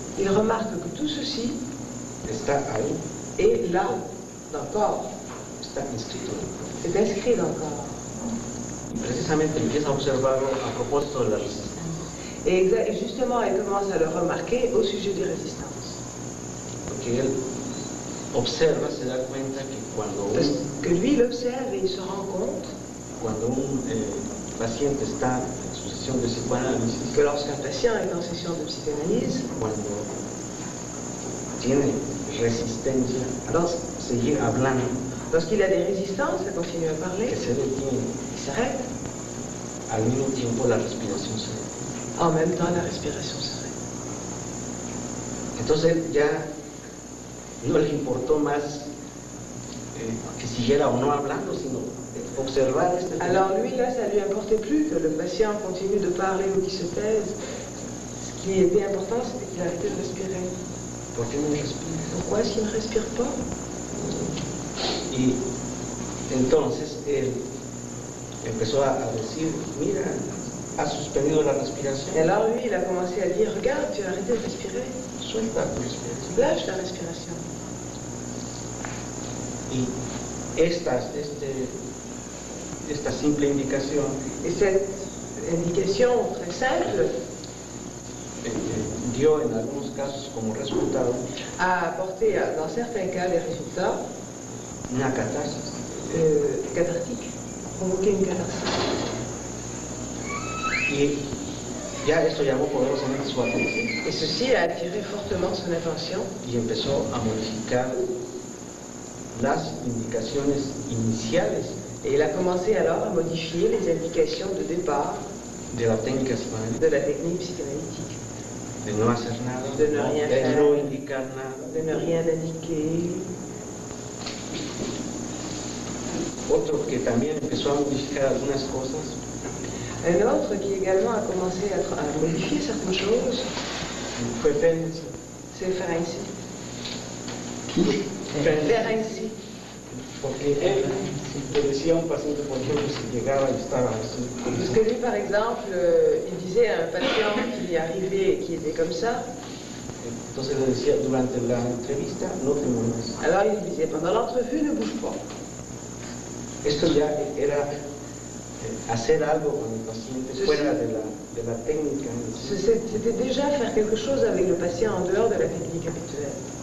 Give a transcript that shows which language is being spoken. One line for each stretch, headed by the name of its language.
French: Il remarque que tout ceci.
Spanish: Está ahí.
French: Est là, dans le corps.
Spanish: Está inscrito.
French: Est inscrit dans le corps.
Spanish: Y precisamente empieza a observarlo a propósito de la resistencia.
French: Et justement, elle commence à le remarquer au sujet des résistances.
Spanish: Porque él observa, se da cuenta que cuando un,
French: parce que lui, il observe et il se rend compte
Spanish: cuando un, paciente está en su sesión de psicoanálisis,
French: que lorsqu'un patient est en session de psychanalyse,
Spanish: cuando tiene resistencia
French: lorsque,
Spanish: a seguir hablando,
French: lorsqu'il a des résistances à continuer à parler,
Spanish: que se detiene,
French: il s'arrête.
Spanish: Al mismo tiempo, la respiración se detiene.
French: En même temps, la respiration s'arrête.
Spanish: Entonces, ya no le importó más que siguiera o no hablando, sino observar este.
French: Alors, lui, là, ça lui importait plus que le patient continue de parler ou qu'il se taise. Ce qui était important, c'était qu'il arrêtait de respirer. Pourquoi il ne respire pas? Pourquoi est-ce qu'il ne respire pas? Et
Spanish: entonces, él empezó a decir: mira, ha suspendido la respiración.
French: Et alors lui, il a commencé à dire: regarde, tu as arrêté de respirer.
Spanish: Suelta tu respiración.
French: Lâche la respiration.
Spanish: Y esta simple indicación.
French: Et cette indication très simple
Spanish: dio en algunos casos como resultado.
French: A apporté dans certains cas les résultats.
Spanish: Una catarsis.
French: Catartique. Provoqué une catarsis.
Spanish: Y ya esto llamó poderosamente su atención.
French: Et ceci a attiré fortement son attention.
Spanish: Y empezó a modificar las indicaciones iniciales.
French: Et il a commencé alors à modifier les indications de départ
Spanish: de la técnica psicoanalítica.
French: De la technique psychanalytique.
Spanish: De no hacer nada.
French: De ne rien faire.
Spanish: De no indicar nada.
French: De ne rien indiquer.
Spanish: Otro que también empezó a modificar algunas cosas.
French: Un autre qui également a commencé à modifier certaines choses.
Spanish: Fue Ferenczi.
French: C'est Ferenczi. Qui? Ferenczi.
Spanish: Porque él le decía un paciente, por ejemplo, si llegaba y estaba así.
French: Parce que lui, par exemple, il disait à un patient qui arrivait et qui était comme ça.
Spanish: Entonces le decía durante la entrevista: no te muevas.
French: Alors il disait: pendant l'entrevue, ne bouge pas.
Spanish: Esto ya era hacer algo con el paciente fuera de la técnica.
French: C'était déjà faire quelque chose avec le patient en dehors de la technique habituelle.